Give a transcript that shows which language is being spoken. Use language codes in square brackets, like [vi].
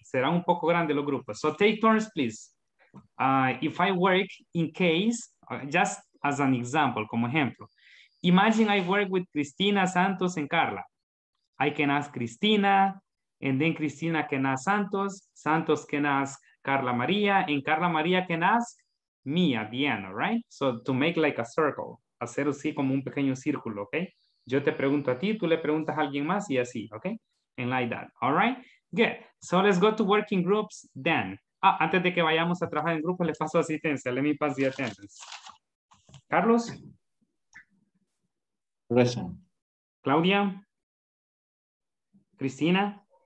[es] Será un poco grande los grupos. [en] So take turns, please. If I work in case, just as an example, [es] como ejemplo. [en] Imagine I work with Cristina, Santos, and Carla. I can ask Cristina, and then Cristina can ask Santos. Santos can ask Carla Maria, and Carla Maria can ask me at the end, all right? So to make like a circle. [es] Hacer así como un pequeño círculo, [en] okay? [es] Yo te pregunto a ti, tú le preguntas a alguien más y así, okay? [en] And like that, all right? Good, so let's go to working groups then. [es] Ah, antes de que vayamos a trabajar en grupo, le paso asistencia, [en] let me pass the attendance. [es] Carlos? [en] Present. Claudia? Cristina?